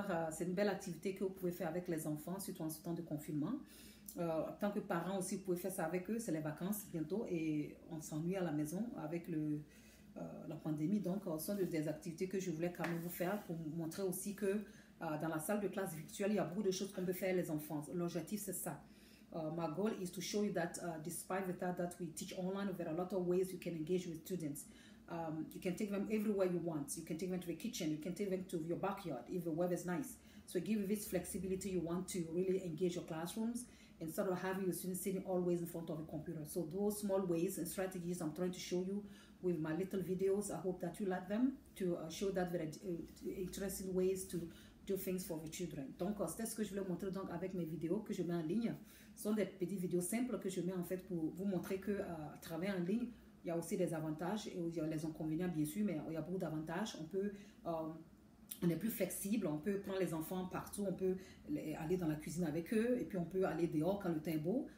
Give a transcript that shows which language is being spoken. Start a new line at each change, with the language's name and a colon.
French: C'est une belle activité que vous pouvez faire avec les enfants, surtout en ce temps de confinement. Tant que parents aussi, vous pouvez faire ça avec eux. C'est les vacances bientôt et on s'ennuie à la maison avec la pandémie. Donc, ce sont des activités que je voulais quand même vous faire pour vous montrer aussi que dans la salle de classe virtuelle, il y a beaucoup de choses qu'on peut faire les enfants. L'objectif, c'est ça.
English: My goal is to show you that despite the fact that we teach online, there are a lot of ways you can engage with students. You can take them everywhere you want. You can take them to the kitchen. You can take them to your backyard if the weather is nice. So, give this flexibility you want to really engage your classrooms instead of having your students sitting always in front of a computer. So, those small ways and strategies I'm trying to show you with my little videos, I hope that you like them to show that there are interesting ways to do things for the children.
French: Donc, c'était ce que je voulais montrer donc, avec mes vidéos que je mets en ligne. Ce sont des petites vidéos simples que je mets en fait pour vous montrer que à travers en ligne, il y a aussi des avantages et il y a les inconvénients, bien sûr, mais il y a beaucoup d'avantages. On est plus flexible, on peut prendre les enfants partout, on peut aller dans la cuisine avec eux et puis on peut aller dehors quand le temps est beau.